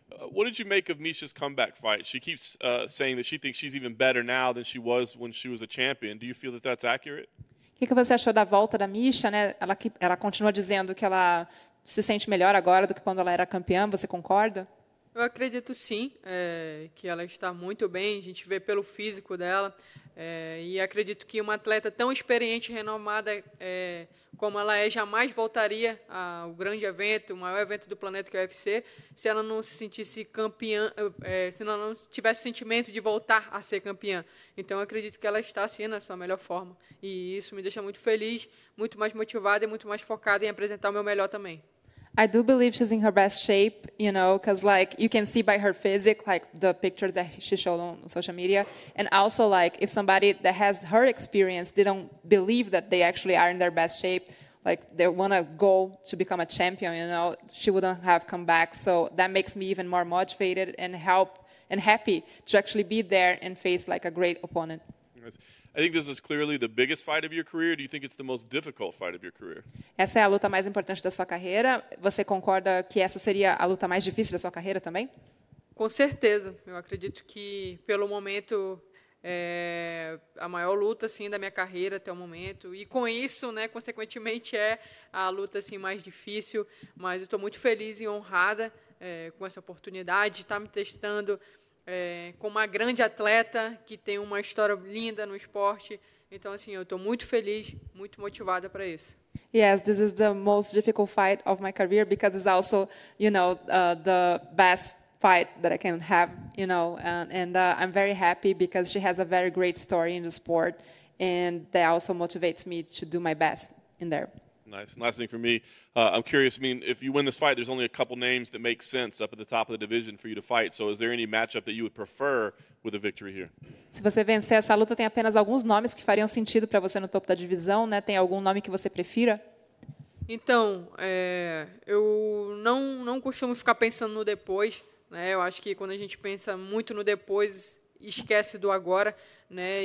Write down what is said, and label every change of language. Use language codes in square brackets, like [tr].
[en] What did you make of Misha's comeback fight? She keeps saying that she thinks she's even better now than she was when she was a champion. Do you feel that that's accurate? [pt] O que você achou da volta da Misha, né? Ela continua dizendo que ela se sente melhor agora do que quando ela era campeã, você concorda? Eu acredito sim, que ela está muito bem, a gente vê pelo físico dela, e acredito que uma atleta tão experiente e renomada como ela é, jamais voltaria ao grande evento, o maior evento do planeta que é o UFC, se ela não se sentisse campeã, se ela não tivesse sentimento de voltar a ser campeã. Então, eu acredito que ela está sim na sua melhor forma, e isso me deixa muito feliz, muito mais motivada e muito mais focada em apresentar o meu melhor também. [en] I do believe she's in her best shape, you know, because, like, you can see by her physique, like, the pictures that she showed on social media. And also, like, if somebody that has her experience didn't believe that they actually are in their best shape, like, they want to go to become a champion, you know, she wouldn't have come back. So that makes me even more motivated and happy to actually be there and face, like, a great opponent. Yes. I think this is clearly the biggest fight of your career. Do you think it's the most difficult fight of your career? [pt] Essa é a luta mais importante da sua carreira. Você concorda que essa seria a luta mais difícil da sua carreira também? Com certeza. Eu acredito que, pelo momento, é a maior luta assim, da minha carreira até o momento. E com isso, né, consequentemente, é a luta assim, mais difícil. Mas eu estou muito feliz e honrada com essa oportunidade de estar me testando com uma grande atleta que tem uma história linda no esporte. Então, assim, eu estou muito feliz, muito motivada para isso. [en] Yes, this is the most difficult fight of my career because it's also, you know, the best fight that I can have, you know. I'm very happy because she has a very great story in the sport and that also motivates me to do my best in there. Nice. And last thing for me, I'm curious, I mean, if you win this fight, there's only a couple names that make sense up at the top of the division for you to fight. So is there any matchup that you would prefer with a victory here? [pt] Se você vencer essa luta, tem apenas alguns nomes que fariam sentido para você no topo da divisão, né? Tem algum nome que você prefira? Então, eu não costumo ficar pensando no depois, né? Eu acho que quando a gente pensa muito no depois, esquece do agora, né?